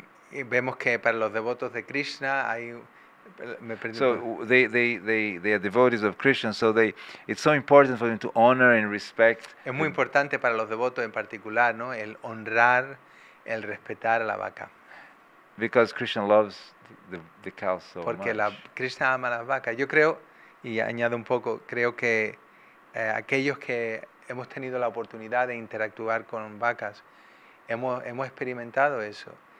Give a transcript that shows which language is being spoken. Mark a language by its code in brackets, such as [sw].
[es] Vemos que para los devotos de Krishna hay. [en] So they are devotees of Krishna. So they, it's so important for them to honor and respect. [es] Es muy importante para los devotos en particular, ¿no? El honrar, el respetar a la vaca. [en] Because Krishna loves the cow so much. [es] Porque Krishna ama las vacas. Yo creo, y añado un poco, creo que aquellos que hemos tenido la oportunidad de interactuar con vacas, hemos experimentado eso.